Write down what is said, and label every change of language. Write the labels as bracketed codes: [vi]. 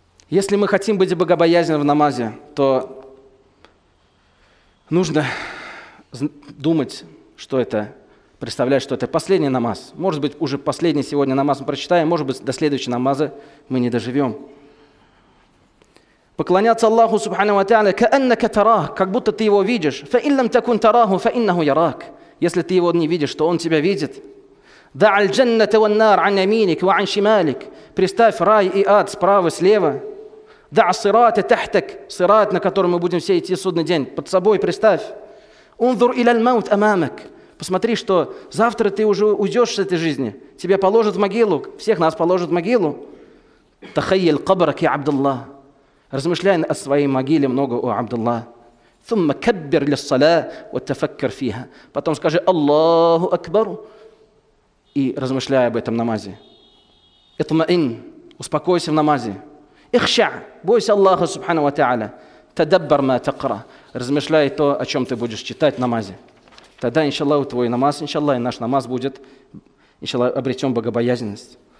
[ru] Если мы хотим быть богобоязненным в намазе, то нужно думать, что это представляет, что это последний намаз. Может быть, уже последний сегодня намаз мы прочитаем, может быть, до следующего намаза мы не доживем. Поклоняться Аллаху субхану ва тааля, [ar] кааннака тарах, [ru] как будто ты его видишь. [ar] Фа иллам такун тараху, фа иннаху ярак. [ru] Если ты его не видишь, то он тебя видит. [ar] دع الجنة والنار عن يمينك وعن شمالك. [ru] Представь рай и ад справа и слева. [ar] دع الصراط تحتك, [ru] صراط, на котором мы будем все идти судный день, под собой представь. [ar] انظر إلى الموت أمامك. [ru] Посмотри, что завтра ты уже уйдешь с этой жизни. Тебя положат в могилу, всех нас положат в могилу. [ar] تخيل قبرك يا عبد الله. [ru] Размышляй о своей могиле много, о عبد الله. [ar] ثم كبر للصلاة وتفكر فيها. [ru] Потом скажи: [ar] الله أكبر. [ru] И размышляя об этом намазе. Итмаин, успокойся в намазе. Ихша, бойся Аллаха субхану ва тааля. [ar] Тадаббар ма такра, [ru] размышляй то, о чем ты будешь читать в намазе. Тогда, иншаллах, твой намаз, иншаллах, и наш намаз будет, иншаллах, обретем богобоязненность.